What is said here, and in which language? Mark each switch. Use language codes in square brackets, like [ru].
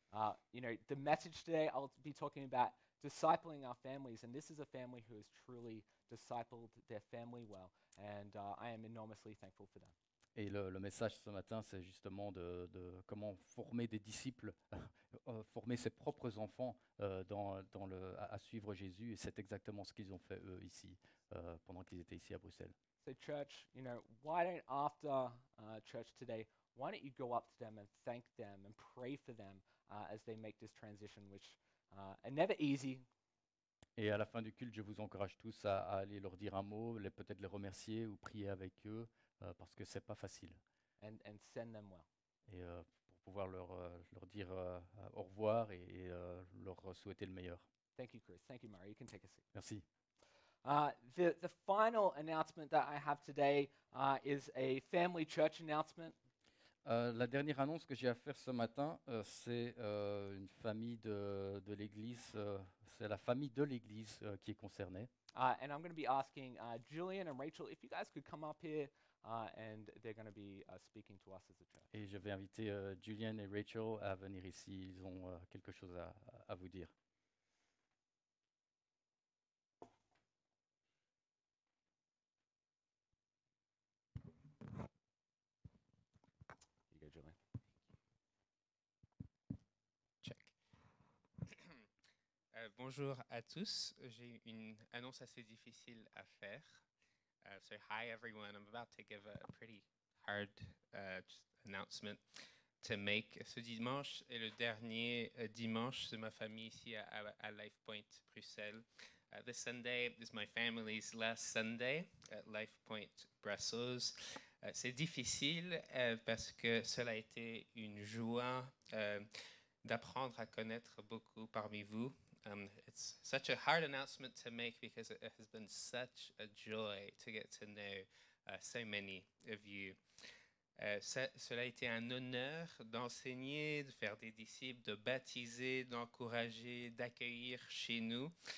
[en] The message today, I'll be talking about discipling our families, and this is a family who has truly discipled their family well, and I am enormously thankful for them. [fr] Et le message ce matin, c'est justement de comment former des disciples, former ses propres enfants à suivre Jésus, et c'est exactement ce qu'ils ont fait eux ici, pendant qu'ils étaient ici à Bruxelles. [en] So church, why don't after church today, why don't you go up to them and thank them and pray for them as they make this transition, which is never easy. [fr] Et à la fin du culte, je vous encourage tous à aller leur dire un mot, peut-être les remercier ou prier avec eux, parce que c'est pas facile. [en] And send them well. [fr] Et pour pouvoir leur dire au revoir et leur souhaiter le meilleur. [en] Thank you, Chris. Thank you, Mary. You can take a seat. [fr] Merci. [en] The final announcement that I have today is a family church announcement. [fr] La dernière annonce que j'ai à faire ce matin, c'est une famille de l'église. C'est la famille de l'église qui est concernée. [en] And I'm going to be asking Julian and Rachel if you guys could come up here, and they're going to be speaking to us as a church. [fr] Et je vais inviter Julian et Rachel à venir ici. Ils ont quelque chose à vous dire. Bonjour à tous. J'ai une annonce assez difficile à faire. [en] So hi everyone. I'm about to give a pretty hard announcement to make. [fr] Ce dimanche est le dernier dimanche de ma famille ici à LifePoint Bruxelles. [en] This Sunday is my family's last Sunday at LifePoint Brussels. [fr] C'est difficile parce que cela a été une joie d'apprendre à connaître beaucoup parmi vous. [en] It's such a hard announcement to make because it has been such a joy to get to know so many of you. [fr] Cela a été un honneur d'enseigner, de faire des disciples, de baptiser, d'encourager, d'accueillir chez nous.